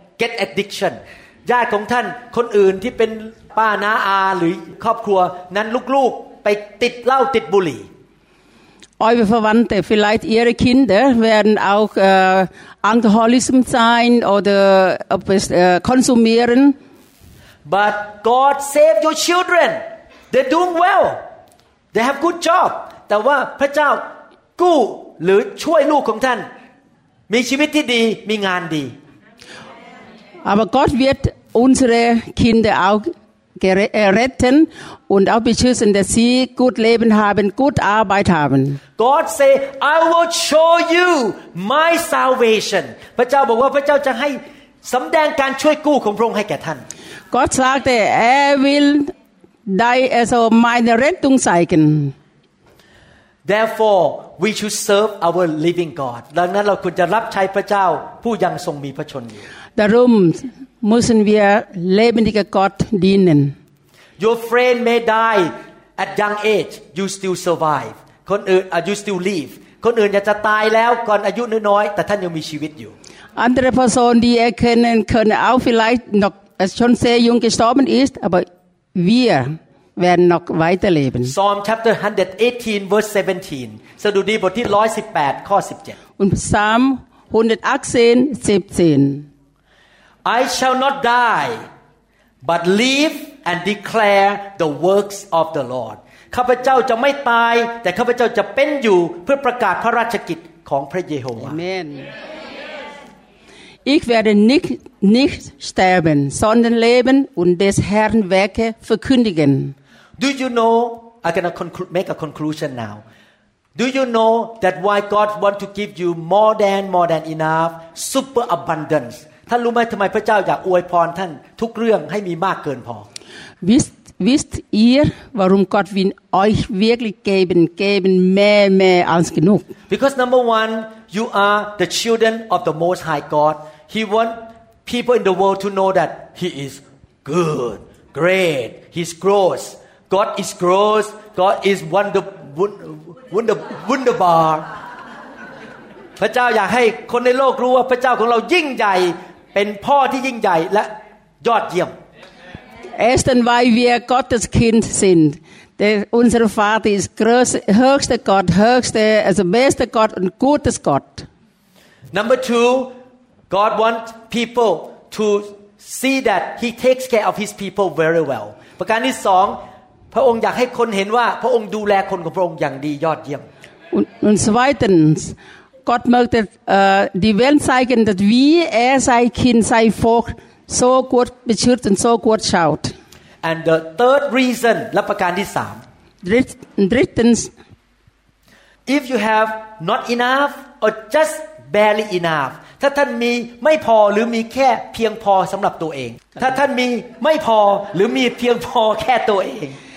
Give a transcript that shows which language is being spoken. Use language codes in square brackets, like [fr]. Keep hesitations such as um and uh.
[en] get addiction [th] ญาติของท่านคนอื่นที่เป็นป้าน้าอาหรือครอบครัวนั้นลูกๆไปติดเหล้าติดบุหรี่ [de] Eure Verwandte, vielleicht ihre Kinder werden auch äh, Alkoholismus sein oder ob es, äh, konsumieren. [en] but God save your children they're doing well they have good job [th] แต่ว่าพระเจ้ากู้หรือช่วยลูกของท่าน มีชีวิตที่ดีมีงานดี [de] Aber Gott wird unsere Kinder auch gere- äh, retten und auch beschützen, dass sie gut Leben haben, gut Arbeit haben. [en] God say I will show you my salvation [th] พระเจ้าบอกว่าพระเจ้าจะให้สำแดงการช่วยกู้ของพระองค์ให้แก่ท่าน [de] Gott sagte, er will dei- also meine Rettung zeigen. [en] therefore we should serve our living God [th] ดังนั้นเราควรจะรับใช้พระเจ้าผู้ยังทรงมีพระชนอยู่ [de] Darum müssen wir lebendiger Gott dienen. [en] Your friend may die at young age you still survive [th] คนอื่น [en] uh, you still live [th] คนอื่นอยากจะตายแล้วก่อนอายุน้อยๆแต่ท่านยังมีชีวิตอยู่ [de] Andere Personen, die ihr kennen, können auch vielleicht noch als schon sehr jung gestorben ist, aber wir werden noch weiterleben. [en] Psalm chapter 118 verse 17 [th] สดุดีบทที่ 118 ข้อ [de] Und Psalm 118, 17. [en] 17 I shall not die but live and declare the works of the Lord [th] ข้าพเจ้าจะไม่ตาย แต่ข้าพเจ้าจะเป็นอยู่เพื่อประกาศพระราชกิจของพระเยโฮวา [en] Amen. [de] Ich werde nicht, nicht sterben, sondern leben und des Herrn Werke verkündigen. [en] Do you know? I'm gonna conclu- make a conclusion now. Do you know that why God want to give you more than more than enough super abundance [th] ท่านรู้ไหมทำไมพระเจ้าอยากอวยพรท่านทุกเรื่องให้มีมากเกินพอ [de] Wisst, wisst ihr, warum Gott will euch wirklich geben, geben mehr, mehr als genug? [en] because number one you are the children of the Most High God He want people in the world to know that He is good great He's [de] gross [en] God is [de] gross [en] God is wonder wonder [de] wunderbar [th] พระเจ้าอยากให้คนในโลกรู้ว่าพระเจ้าของเรายิ่งใหญ่ เป็นพ่อที่ยิ่งใหญ่และยอดเยี่ยม [de] Erstens, weil wir Gottes Kind sind. Der, unser Vater ist größte, höchster Gott, höchster, also bester Gott und gutes Gott. [en] Number two, God wants people to see that He takes care of His people very well. [th] ประการที่สองพระองค์อยากให้คนเห็นว่าพระองค์ดูแลคนของพระองค์อย่างดียอดเยี่ยม [de] Und, und zweitens, Gott möchte äh, die Welt zeigen, dass wie er sein Kind, sein Volk so gut beschützt und so gut schaut. [en] and the third reason [th] และประการที่สาม [de] Dritt, drittens, [en] if you have not enough or just barely enough [th] ถ้าท่านมีไม่พอหรือมีแค่เพียงพอสำหรับตัวเอง ถ้าท่านมีไม่พอหรือมีเพียงพอแค่ตัวเอง